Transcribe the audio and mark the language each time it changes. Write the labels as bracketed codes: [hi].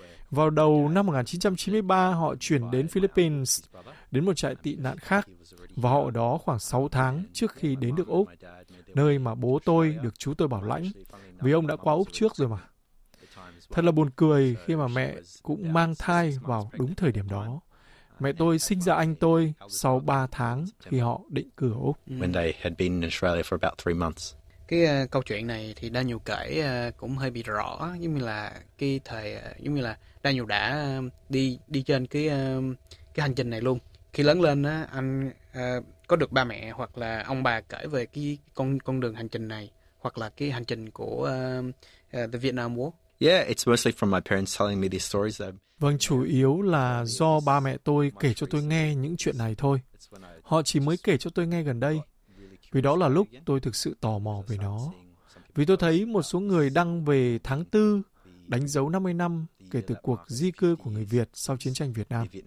[vi] Vào đầu năm 1993, họ chuyển đến Philippines, đến một trại tị nạn khác, và họ ở đó khoảng 6 tháng trước khi đến được Úc, nơi mà bố tôi được chú tôi bảo lãnh, vì ông đã qua Úc trước rồi mà. Thật là buồn cười khi mà mẹ cũng mang thai vào đúng thời điểm đó. Mẹ tôi sinh ra anh tôi sau 3 tháng khi họ định cư ở Úc. [en] When they had been in Australia for about 3 months. [vi] Cái câu chuyện này thì Daniel kể cũng hơi bị rõ, giống như là cái thời giống như là Daniel đã đi trên cái hành trình này luôn. Khi lớn lên anh có được ba mẹ hoặc là ông bà kể về cái con đường hành trình này hoặc là cái hành trình của the Vietnam War. [en] Yeah, it's mostly from my parents telling me these stories that... [vi] Vâng, chủ yếu là do ba mẹ tôi kể cho tôi nghe những chuyện này thôi. Họ chỉ mới kể cho tôi nghe gần đây, vì đó là lúc tôi thực sự tò mò về nó. Vì tôi thấy một số người đăng về tháng 4, đánh dấu 50 năm kể từ cuộc di cư của người Việt sau chiến tranh Việt Nam.